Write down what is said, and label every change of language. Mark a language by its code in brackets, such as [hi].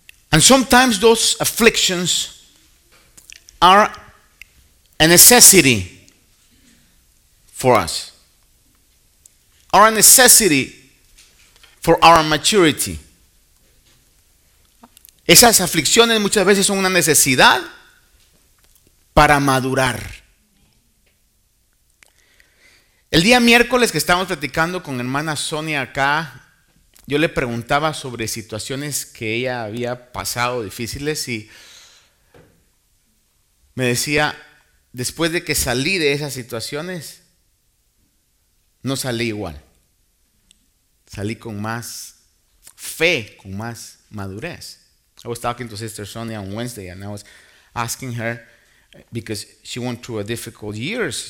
[en] And sometimes those afflictions are a necessity for us, are a necessity for our maturity, [es] Esas aflicciones muchas veces son una necesidad para madurar. El día miércoles que estábamos platicando con hermana Sonia acá, yo le preguntaba sobre situaciones que ella había pasado difíciles y me decía, después de que salí de esas situaciones, no salí igual. Salí con más fe, con más madurez. [en] I was talking to Sister Sonia on Wednesday and I was asking her, because she went through a difficult years.